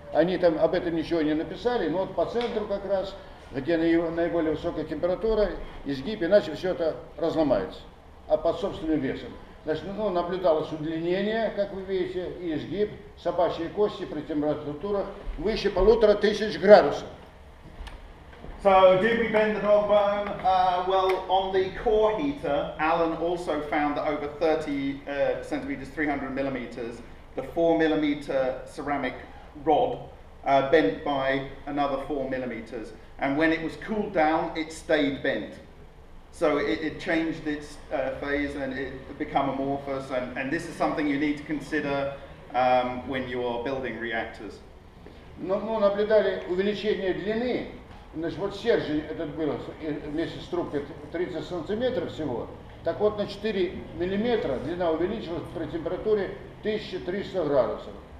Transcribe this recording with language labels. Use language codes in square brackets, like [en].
[ru] Они там об этом ничего не написали, но вот по центру как раз, где наиболее высокая температура, изгиб, иначе все это разломается. А под собственным весом. Значит, ну, наблюдалось удлинение, как вы видите, и изгиб собачьей кости при температурах выше 1500 градусов. [en] So, did we bend the dog bone? Well, on the core heater, Alan also found that over 30 centimeters, 300 millimeters, the 4 millimeter ceramic rod bent by another 4 millimeters. And when it was cooled down, it stayed bent. So it changed its phase and it became amorphous, and this is something you need to consider when you are building reactors. [ru] Ну, наблюдали увеличение длины. Значит, вот стержень этот был вместе с трубкой 30 сантиметров всего. Так вот, на 4 миллиметра длина увеличилась при температуре 1300 градусов.